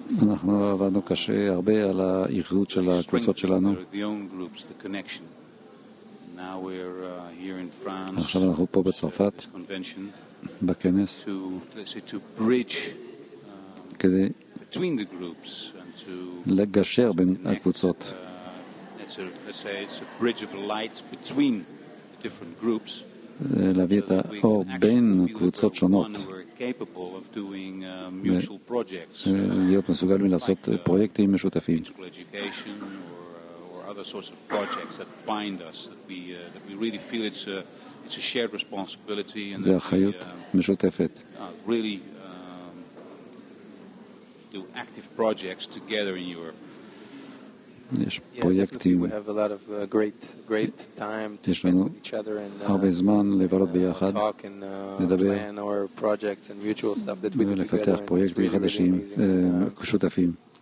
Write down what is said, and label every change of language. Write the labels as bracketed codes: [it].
[he] אנחנו עבדנו קשה הרבה על האיחוד של הקבוצות שלנו. [en] The own groups, the connection. Now we're here in France. [he] עכשיו אנחנו פה בצרפת. [en] Convention. [he] בכנס. [en] To, let's say, to bridge between the groups and to [he] לגשר בין הקבוצות. [en] It's a bridge of light between the different groups. [he] להביא את האור בין קבוצות שונות. [en] Capable of doing mutual projects. [he] להיות מסוגלים לעשות פרויקטים משותפים. [en] Education or other sorts of projects that bind us, that we really feel it's a shared responsibility and [he] זה אחריות משותפת. [en] Really do active projects together in Europe. [he] יש פרויקטים. [en] We have a lot of great time to spend with each other and [he] הרבה זמן לבלות ביחד, לדבר, [en] plan our projects and mutual stuff that we do together. [he] לפתח פרויקטים חדשים, שותפים.